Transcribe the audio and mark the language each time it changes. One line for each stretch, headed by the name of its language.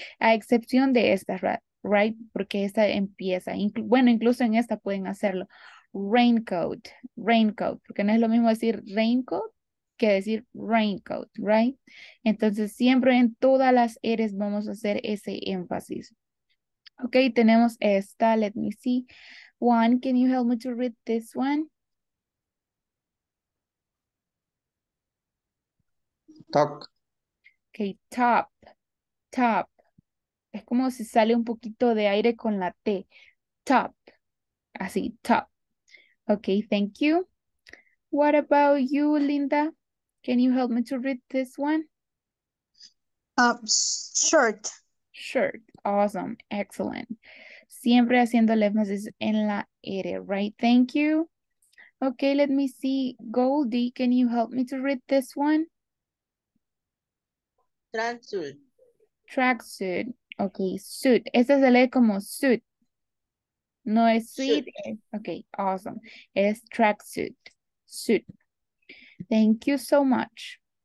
Spanish: A excepción de esta, right? Porque esta empieza. Incluso en esta pueden hacerlo. Raincoat. Raincoat. Porque no es lo mismo decir raincoat que decir raincoat, right? Entonces, siempre en todas las R's vamos a hacer ese énfasis. Ok, tenemos esta.
English: Let me see. Juan, can you help me to read this one? Top. Ok, top. Top.
Spanish: Es como si sale un poquito de aire con la T.
English: Top. Así, top. Ok, thank you. What about you, Linda? Can you help me to read this one? Shirt. Shirt. Awesome. Excellent.
Spanish: Siempre haciendo el énfasis en la R, right?
English: Thank you. Okay, let me see. Goldie, can you help me to read this one? Tracksuit. Tracksuit. Okay, suit.
Spanish: Esta se lee como
English: suit.
Spanish: No es
English: suit. Okay, awesome. Es tracksuit. Suit. Thank you so much.